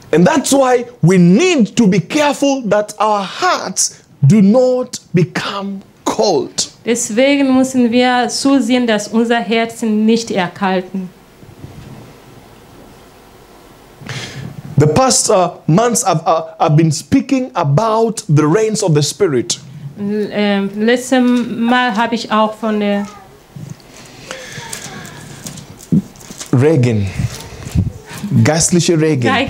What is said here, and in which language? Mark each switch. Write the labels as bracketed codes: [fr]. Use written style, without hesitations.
[en] And that's why we need to be careful that our hearts do not become cold. [de] Deswegen müssen wir zusehen, dass unser Herzen nicht erkalten. [en] The past months I've been speaking about the rains of the Spirit. [de] Letztes Mal habe ich auch von der Regen. Geistliche Regen.